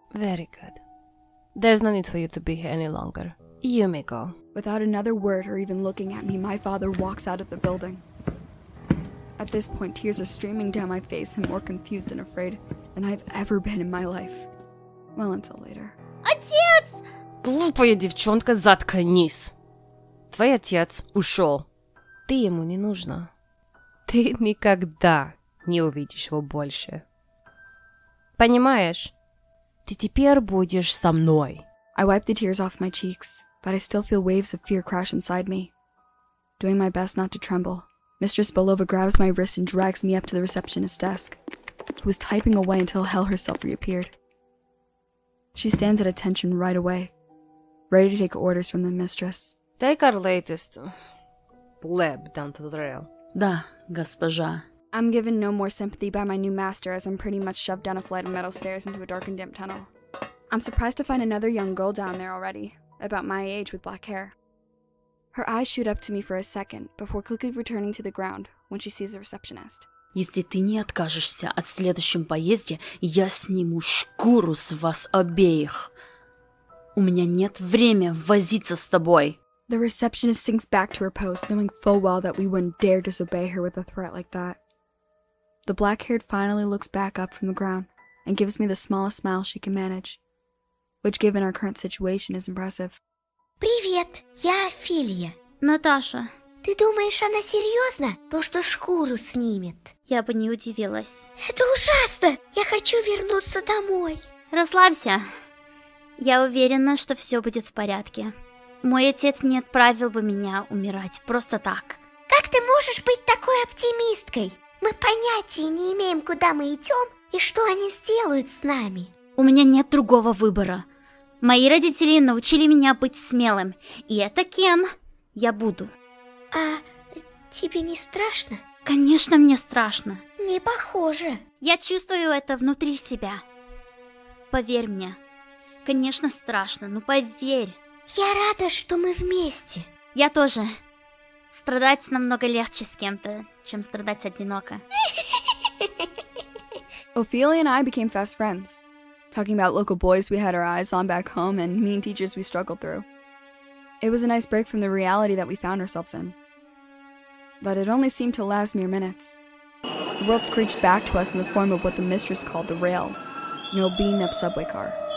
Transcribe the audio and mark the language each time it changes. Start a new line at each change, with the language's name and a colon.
English: Very good. There's no need for you to be here any longer. You may go. Without another word or even looking at me, my father walks out of the building. At this point, tears are streaming down my face and more confused and afraid than I've ever been in my life. Well, until later.
Russian: Отец! Глупая девчонка, заткнись! Твой отец ушел. Ты ему не нужна. Ты никогда не увидишь его больше. Понимаешь? Ты теперь будешь со мной.
English: I wipe the tears off my cheeks, but I still feel waves of fear crash inside me. Doing my best not to tremble, Mistress Belova grabs my wrist and drags me up to the receptionist's desk, who is typing away until Hell herself reappeared. She stands at attention right away, ready to take orders from the mistress. Take our latest pleb down to the rail.
Russian: Да, госпожа.
English: I'm given no more sympathy by my new master as I'm pretty much shoved down a flight of metal stairs into a dark and dim tunnel. I'm surprised to find another young girl down there already, about my age with black hair. Her eyes shoot up to me for a second, before quickly returning to the ground when she sees the receptionist.
Russian: Если ты не откажешься от следующем поезде, я сниму шкуру с вас обеих. У меня нет времени возиться с тобой.
English: The receptionist sinks back to her post, knowing full well that we wouldn't dare disobey her with a threat like that. The black-haired finally looks back up from the ground and gives me the smallest smile she can manage, which given our current situation is impressive.
Russian: Привет, я Офелия. Наташа. Ты думаешь, она серьезна? То, что шкуру снимет? Я бы не удивилась. Это ужасно! Я хочу вернуться домой. Расслабься. Я уверена, что все будет в порядке. Мой отец не отправил бы меня умирать просто так. Как ты можешь быть такой оптимисткой? Мы понятия не имеем, куда мы идем и что они сделают с нами. У меня нет другого выбора. Мои родители научили меня быть смелым, и это кем я буду. А тебе не страшно? Конечно, мне страшно. Не похоже. Я чувствую это внутри себя. Поверь мне. Конечно, страшно, но поверь. Я рада, что мы вместе. Я тоже. Страдать намного легче с кем-то, чем страдать одиноко.
English: Ophelia and I became fast friends. Talking about local boys we had our eyes on back home and mean teachers we struggled through. It was a nice break from the reality that we found ourselves in. But it only seemed to last mere minutes. The world screeched back to us in the form of what the mistress called the rail, an old beaten-up subway car.